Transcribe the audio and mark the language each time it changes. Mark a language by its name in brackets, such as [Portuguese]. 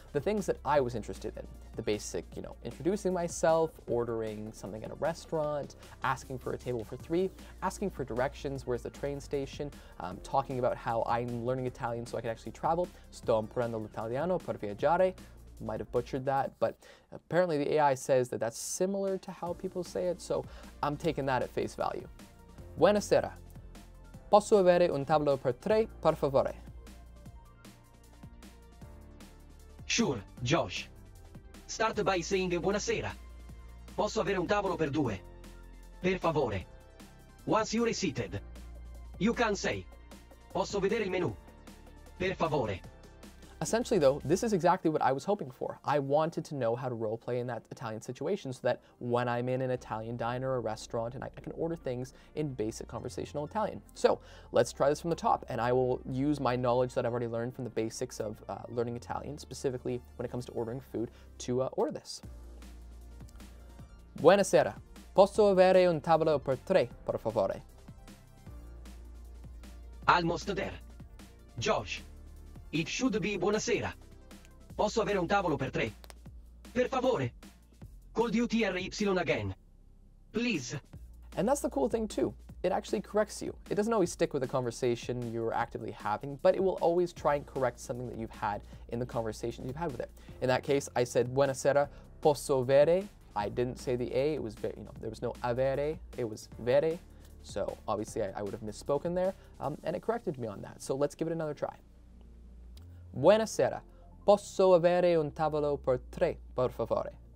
[English] The things that I was interested in, the basic, you know, introducing myself, ordering something at a restaurant, asking for a table for three, asking for directions, where's the train station, talking about how I'm learning Italian so I can actually travel, [Italian] sto imparando l'italiano per viaggiare, [English] might have butchered that, but apparently the AI says that that's similar to how people say it, so I'm taking that at face value. [Italian] Buonasera. Posso avere un tavolo per tre, per favore? [English] Sure, Josh. Start by saying buonasera. [Italian] Posso avere un tavolo per due? Per favore. [English] Once you're seated, you can say, [Italian] posso vedere il menu? Per favore. [English] Essentially though, this is exactly what I was hoping for. I wanted to know how to role play in that Italian situation so that when I'm in an Italian diner or restaurant and I can order things in basic conversational Italian. So let's try this from the top, and I will use my knowledge that I've already learned from the basics of learning Italian, specifically when it comes to ordering food, to order this. [Italian] Buonasera. Posso avere un tavolo per tre, per favore? [English] Almost there. George, It should be buonasera. [Italian] Posso avere un tavolo per tre? Per favore. [English] Call tutry again. Please. And that's the cool thing too. It actually corrects you. It doesn't always stick with the conversation you're actively having, but it will always try and correct something that you've had in the conversation you've had with it. In that case, I said [Italian] buonasera, posso avere. [English] I didn't say the A, it was very, you know, there was no avere, it was vere. So obviously I would have misspoken there, and it corrected me on that. So let's give it another try. [Italian] Buonasera, posso avere un tavolo per tre, per favore?